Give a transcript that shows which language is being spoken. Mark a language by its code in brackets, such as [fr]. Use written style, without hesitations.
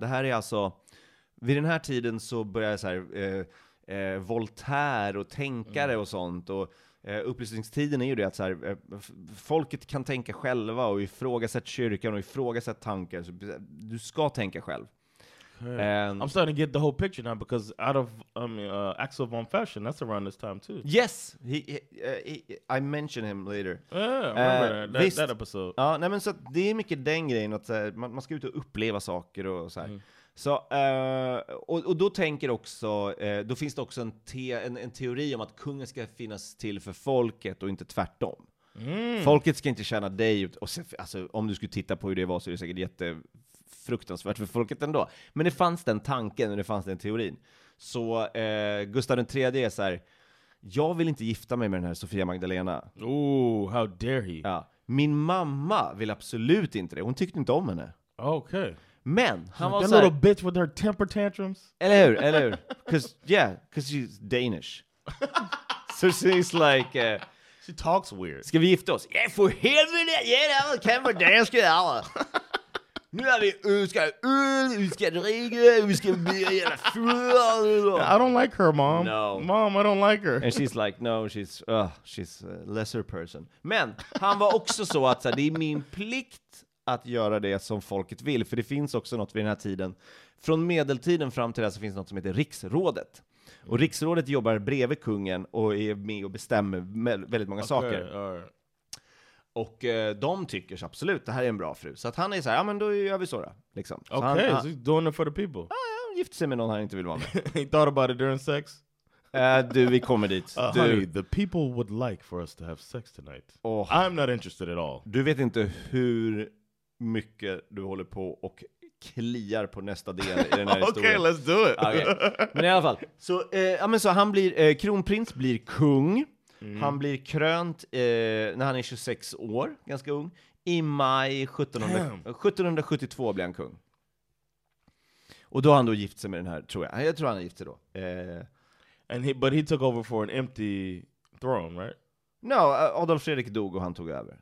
[sv] Det här är alltså, vid den här tiden så börjar så här, Voltaire och tänkare och sånt. Och upplysningstiden är ju det att så här, folket kan tänka själva och ifrågasätta kyrkan och ifrågasätta tankar. Så du ska tänka själv. [en] I'm starting to get the whole picture now, because out of Axel von Fersen, that's around this time too. Yes, he I mentioned him later. Yeah, remember that episode. [sv] Ja, nej, men så det är mycket den grejen att såhär, man ska ut och uppleva saker och så här. Mm. Så och då tänker också då finns det också en teori om att kungen ska finnas till för folket och inte tvärtom. Mm. Folket ska inte tjäna dig, och sen, alltså, om du skulle titta på hur det var, så är det säkert jätte fruktansvärt för folket ändå. Men det fanns den tanken och det fanns den teorin. Så Gustav III är så här: jag vill inte gifta mig med den här Sofia Magdalena. [en] Oh, how dare he. [sv] Ja. Min mamma vill absolut inte det. Hon tyckte inte om henne. Okej. Okay. Men han var så här, [en] little bitch with her temper tantrums. [sv] Eller hur? Eller hur? [en] Because she's Danish. So she's like... she talks weird. [sv] Ska vi gifta oss? [en] Yeah, for heaven's sake. Yeah, I can't for dansk. [sv] Nu är vi ska ut, vi ska dricka, vi ska bli jävla fulla. [en] I don't like her, mom. No. Mom, I don't like her. And she's like, no, she's a lesser person. [sv] Men han var också så att så här, det är min plikt att göra det som folket vill. För det finns också något vid den här tiden. Från medeltiden fram till det så finns något som heter riksrådet. Och riksrådet jobbar bredvid kungen och är med och bestämmer väldigt många saker. Och de tycker så absolut, det här är en bra fru. Så att han är så här, ja men då gör vi så då. Liksom. [en] Okej, okay, so he's doing it for the people. [sv] Ja, han gifter sig med någon han inte vill vara med. [en] He thought about it during sex. [sv] Du, vi kommer dit. [en] Honey, the people would like for us to have sex tonight. Oh, I'm not interested at all. [sv] Du vet inte hur mycket du håller på och kliar på nästa del i den här historien. [en] Okej, let's do it. [sv] Okay. Men i alla fall, så, ja, men så han blir kronprins, blir kung. Mm. Han blir krönt när han är 26 år, ganska ung. I maj 1772 blir han kung. Och då har han då gift sig med den här, tror jag. Jag tror han är gift sig då. [en] But he took over for an empty throne, right? [sv] No, Adolf Fredrik dog och han tog över.